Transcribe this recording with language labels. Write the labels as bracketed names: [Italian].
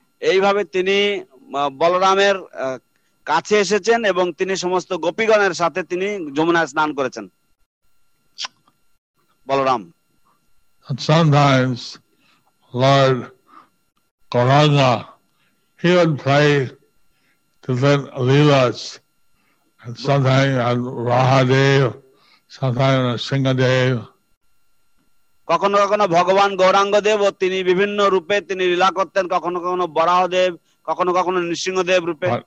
[Bangla] এইভাবে তিনি বলরামের কাছে এসেছেন এবং তিনি সমস্ত গোপীগণের সাথে তিনি যমুনায় স্নান করেছেন Balaram. [English] Sometimes Lord Gauranga, he would play different leelas, and sometimes on Rahadev, sometimes on Singhadev. [Bangla] কখনো কখনো ভগবান গৌরাঙ্গদেব ও তিনি বিভিন্ন রূপে তিনি লীলা করতেন, কখনো কখনো বরাহদেব, কখনো কখনো নৃসিংহদেব রূপে।